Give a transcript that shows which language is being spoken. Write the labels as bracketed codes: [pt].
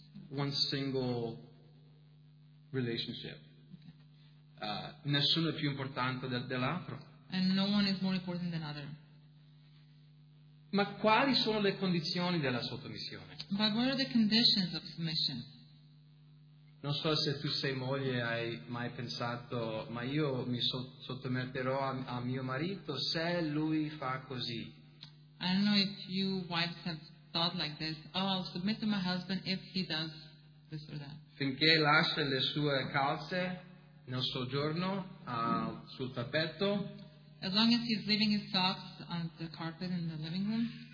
[en] One single relationship. [it] Nessuno è più importante dell'altro. [en] And no one is more important than other. [it] Ma quali sono le condizioni della sottomissione? [en] But what are the conditions of submission? [it] Non so se tu sei moglie hai mai pensato, ma io mi sottometterò a mio marito se lui fa così. [en] I don't know if you wives have thought like this. Oh, I'll submit to my husband if he does. [it] Finché lascia le sue calze nel soggiorno sul tappeto, [en] as long as he's leaving his socks on the carpet in the living room,